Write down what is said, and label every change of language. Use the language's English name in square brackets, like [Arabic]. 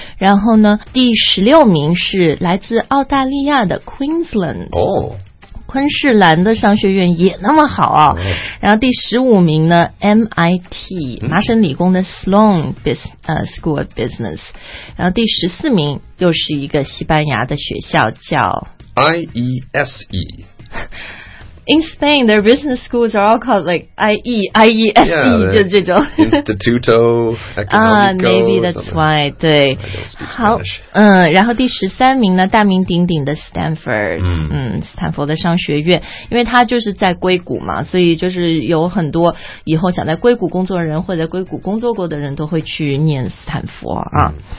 [Chinese] 然后呢第16名是来自澳大利亚的 Queensland， 昆士兰的商学院也那么好啊。然后第15名呢 MIT， 麻省理工的 Sloan School of Business。然后第14名又是一个西班牙的学校叫 IESE。 [English] In Spain, their business schools are all called like IE, IESE, [Chinese] 就是这种 [English] Instituto Economico。 Maybe that's why, [Chinese] 对。好，然后第13名呢，大名鼎鼎的 Stanford， 斯坦福的商学院，因为它就是在硅谷嘛，所以就是有很多以后想在硅谷工作的人，或者在硅谷工作过的人都会去念斯坦福啊。